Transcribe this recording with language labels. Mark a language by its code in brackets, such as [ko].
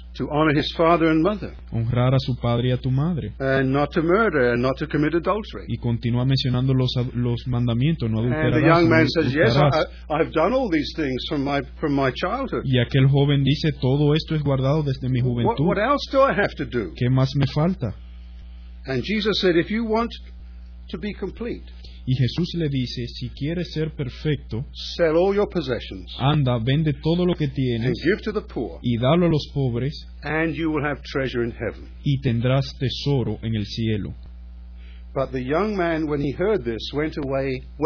[en] to honor his father and mother, [es] honrar a su padre y a tu madre, [en] and not to murder and not to commit adultery. [es] Y continúa mencionando los mandamientos, no adulterarás. [en] And the young man says, yes, I've done all these things from my childhood. [es] Y aquel joven dice, todo esto es guardado desde mi juventud. [en] What else do I have to do? [es] ¿Qué más me falta? [en] And Jesus said, if you want to be complete, [es] Y Jesús le dice, si quieres ser perfecto, [en] sell all your possessions, [es] anda, vende todo lo que tienes, [en] and give to the poor, [es] y dalo a los pobres, [en] and you will have treasure in heaven. [es] Y tendrás tesoro en el cielo. [en] But the young man, when he heard this, went away.